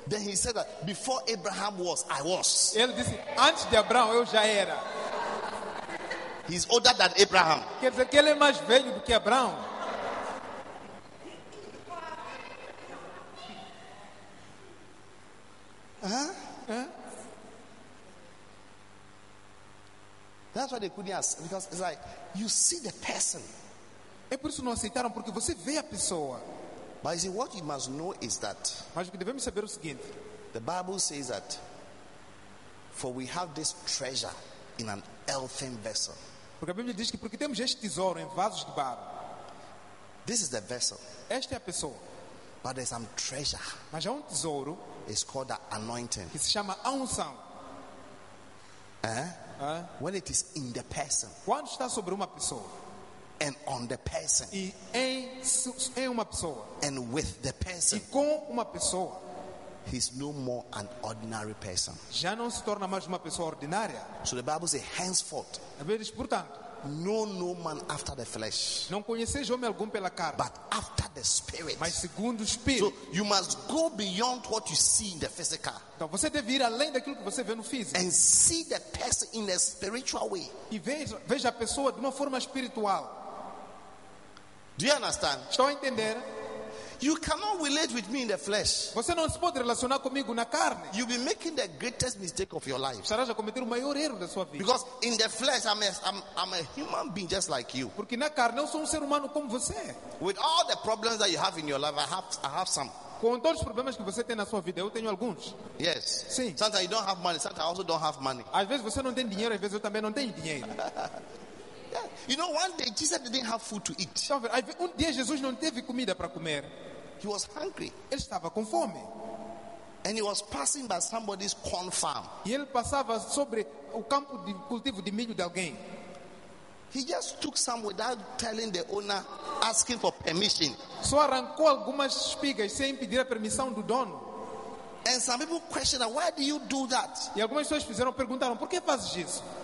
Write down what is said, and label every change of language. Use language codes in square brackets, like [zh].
[en] Then he said that before Abraham was, I was. [pt] Ele disse, antes de Abraão eu já era. [en] He's older than Abraham. [pt] Quer dizer que ele é mais velho do que Abraão. [en] That's why they couldn't ask, because it's like you see the person. [pt] É por isso que não aceitaram, porque você vê a pessoa. [en] But see, what you must know is that, [pt] mas o que devemos saber é o seguinte. [en] The Bible says that for we have this treasure in an earthen vessel. [pt] Porque a Bíblia diz que porque temos este tesouro em vasos de barro. [en] This is the vessel. [pt] Esta é a pessoa. [en] But there's some treasure. [pt] Mas há um tesouro. [en] It's called the anointing. [pt] Que se chama a unção. [en] When it is in the person. [pt] Quando está sobre uma pessoa. [en] And on the person. [pt] E em uma pessoa. [en] And with the person. [pt] E com uma pessoa. [en] He's no more an ordinary person. [pt] Já não se torna mais uma pessoa ordinária. [en] So the Bible says, henceforth. [pt] A Bíblia diz, portanto. [en] Know no man after the flesh. [pt] Não conheceis homem algum pela carne. [en] But after the spirit. [pt] Mas segundo o espírito. [en] So you must go beyond what you see in the physical. [pt] Então você deve ir além daquilo que você vê no físico. [en] And see the person in a spiritual way. [pt] E veja a pessoa de uma forma espiritual. [en] Do you understand? [pt] Estão a entender? [en] You cannot relate with me in the flesh. [pt] Você não se pode relacionar comigo na carne. [en] You'll be making the greatest mistake of your life. [pt] Estarás a cometer o maior erro da sua vida. [en] Because in the flesh I'm a human being just like you. [pt] Porque na carne eu sou um ser humano como você. [en] With all the problems that you have in your life, I have some. [pt] Com todos os problemas que você tem na sua vida, eu tenho alguns. [en] Yes. [pt] Sim. [en] Sometimes you don't have money, sometimes I also don't have money. [pt] Às vezes você não tem dinheiro, às vezes eu também não tenho dinheiro. [en] Yeah. You know, one day Jesus didn't have food to eat. [pt] Então, um dia Jesus não teve comida para comer. [en] He was hungry. [pt] Ele estava com fome. [en] And he was passing by somebody's corn farm. [pt] E ele passava sobre o campo de cultivo de milho de alguém. [en] He just took some without telling the owner, asking for permission. [pt] Só arrancou algumas espigas sem pedir a permissão do dono. [en] And some people questioned, why do you do that? [pt] E algumas pessoas fizeram perguntaram, por que fazes isso?